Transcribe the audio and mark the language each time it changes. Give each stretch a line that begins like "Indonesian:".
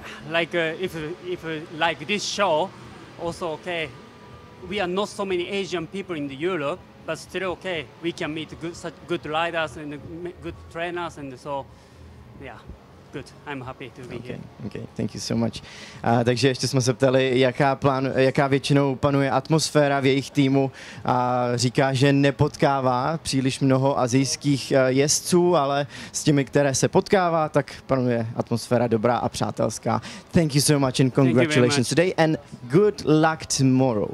English: Like if like this show, also okay. We are not so many Asian people in the Europe, but still okay. We can meet such good riders and good trainers and so. Yeah, good. I'm happy to be Okay, thank you so much.
Czech: Takže ještě jsme se ptali, jaká většinou panuje atmosféra v jejich týmu. Říká, že nepotkává příliš mnoho asijských jezdců, ale s těmi, které se potkává, tak panuje atmosféra dobrá a přátelská.
English: Thank you so much and congratulations today and good luck tomorrow.